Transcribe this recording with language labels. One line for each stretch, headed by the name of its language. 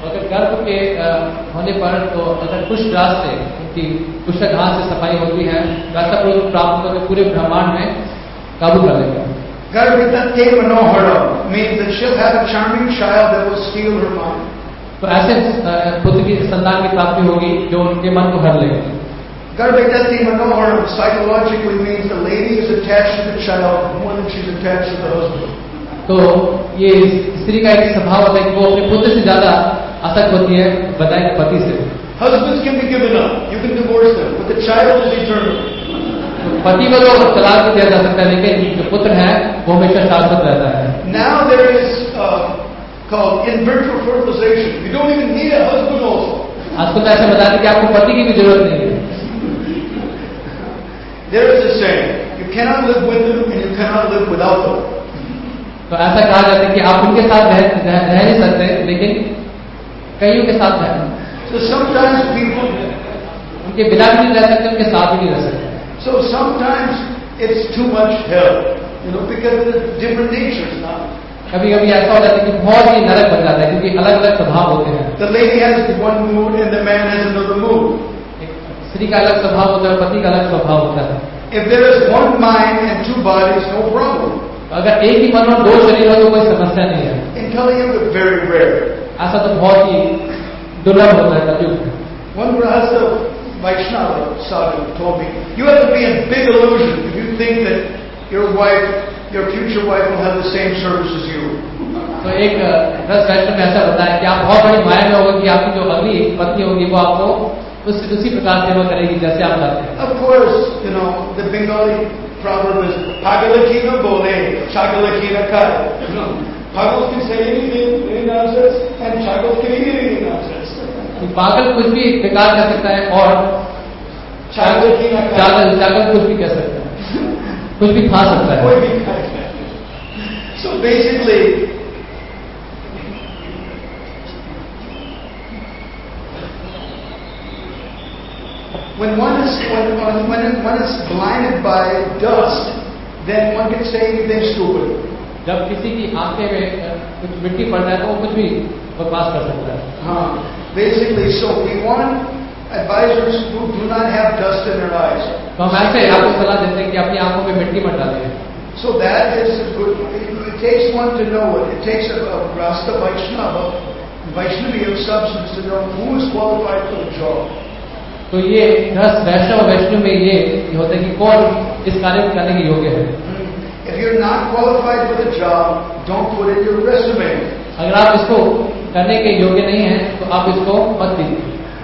Hindi: गर्भ के होने पर तो अगर कुछ घास से उनकी कुछ घास से सफाई होती है वैसा कोई प्राप्त करके पूरे ब्रह्मांड में काबू कर लेगा. तो ऐसे पुत्र की संतान की प्राप्ति होगी जो उनके मन को हर लेगा.
English: Garbhagati Manohar psychologically means the lady is attached to the child more than she's attached to the husband.
Hindi: तो ये स्त्री का एक स्वभाव होता है कि वो अपने पुत्र से ज्यादा आसक्त होती है बजाय पति से.
English: Husbands can be given up, you can divorce them, but the child is eternal.
Hindi: पति को तो तलाक भी दिया जा सकता है लेकिन जो पुत्र है वो हमेशा शाश्वत रहता है.
English: Now there is called in vitro fertilization. You don't even need a husband also.
Hindi: आजकल तो ऐसे बताते हैं कि आपको पति की भी जरूरत नहीं है.
English: There is a saying, you cannot live with them and you cannot live without them.
Hindi: तो ऐसा कहा जाता है कि आप उनके साथ रह नहीं सकते लेकिन कईयों के साथ रहते.
English: So sometimes people
Hindi: उनके बिना भी रह सकते उनके साथ भी नहीं रह सकते.
English: So sometimes it's too much hell, you know, because of the different natures. Now,
Hindi: कभी कभी ऐसा हो जाता है कि बहुत ही नरक बन जाता है क्योंकि अलग अलग स्वभाव होते हैं.
English: The lady has one mood and the man has another mood.
Hindi: स्त्री का अलग स्वभाव होता है पति का अलग स्वभाव होता है.
English: If there is one mind and two bodies, no problem.
Hindi: अगर एक ही मन और दो शरीर हो तो कोई समस्या नहीं है.
English: In Kaliyuga, very rare.
Hindi: ऐसा तो बहुत ही दुर्लभ होता है कलयुग.
English: One grahastha Vaishnava sadhu told me, you have to be in big illusion if you think that your wife, your future wife will have the same service as you.
Hindi: तो एक वैष्णव ने ऐसा बताया कि आप बहुत बड़ी माया में होंगे कि आपकी जो अगली पत्नी होगी वो आपको उसी प्रकार सेवा करेगी जैसे आप जाते हैं.
English: Of course, you know, the Bengali proverb is
Bangla: Pagalakina bole, Chagalakina kare.
English: Pagal can say anything, and Chagal can eat anything nonsense.
Hindi: पागल कुछ भी बेकार कह सकता है और चागल कुछ भी कह सकता है कुछ भी खा सकता है.
English: So basically, when one is blinded by dust, then one can say anything stupid.
Hindi: जब किसी की आंखें में कुछ मिट्टी पड़ रहा है तो वो कुछ भी बकवास कर सकता है.
English: हाँ, basically, so we want advisors who do not have dust in their eyes.
Hindi: तो हम ऐसे आपको सलाह देते हैं कि अपनी आंखों में मिट्टी मत डालें.
English: So that is good. It takes one to know it. It takes a rasta vaishnava, vaishnavi of substance to know who is qualified for the job.
Hindi: तो ये दस वैष्णव वैष्णव में ये होता है कि कौन इस कार्य को करने के योग्य है.
English: If you're not qualified for the job, don't put it in your resume.
Hindi: अगर आप इसको करने के योग्य नहीं है तो आप इसको मत दीजिए.